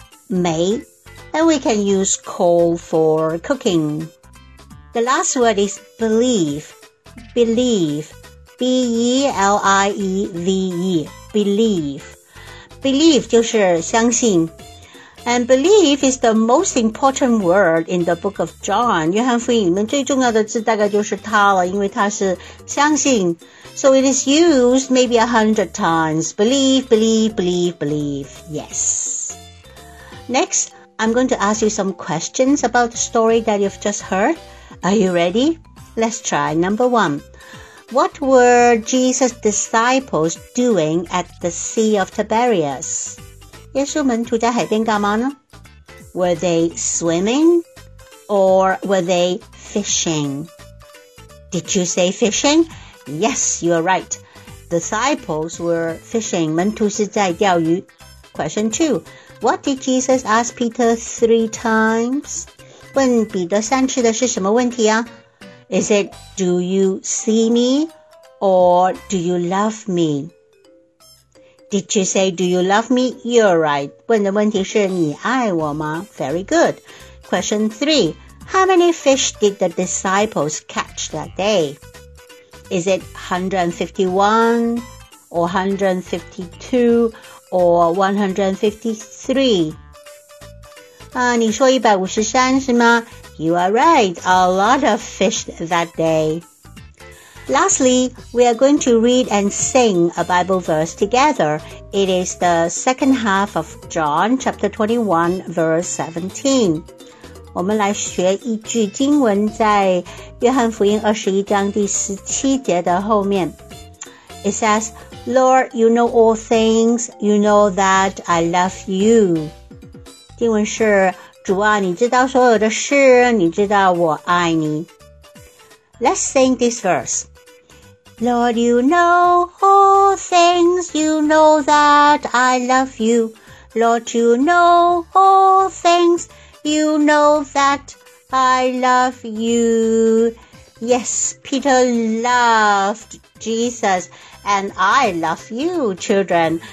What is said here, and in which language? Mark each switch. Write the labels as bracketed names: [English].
[English] 煤, and we can use coal for cooking. The last word is believe, believe, B-E-L-I-E-V-E, believe. [Chinese] Believe 就是相信。 [English] And believe is the most important word in the book of John. [Chinese] 约翰福音里面最重要的字大概就是它了，因为它是相信。 [English] So it is used maybe 100 times. Believe, believe, believe, believe. Yes. Next, I'm going to ask you some questions about the story that you've just heard. Are you ready? Let's try. Number one. What were Jesus' disciples doing at the Sea of Tiberias? [Chinese] 耶稣门徒在海边干嘛呢？ [English] Were they swimming or were they fishing? Did you say fishing? Yes, you are right. Disciples were fishing. [Chinese] 门徒是在钓鱼。 [English] Question 2. What did Jesus ask Peter 3 times? [Chinese] 问彼得三次的是什么问题啊？ [English] Is it, do you see me or do you love me? Did you say, do you love me? You're right. [Chinese] 问的问题是你爱我吗? [English] Very good. Question 3. How many fish did the disciples catch that day? Is it 151 or 152 or 153? [Chinese] 你说153是吗? [English] You are right. A lot of fish that day. Lastly, we are going to read and sing a Bible verse together. It is the second half of John chapter 21, verse 17. [Chinese] 我们来学一句经文，在约翰福音21:17的后面。 [English] It says, Lord, you know all things, you know that I love you. [Chinese] 经文是，主啊，你知道所有的事，你知道我爱你。 [English] Let's sing this verse. Lord, you know all things, you know that I love you. Lord, you know all things, you know that I love you. Yes, Peter loved Jesus, and I love you, children.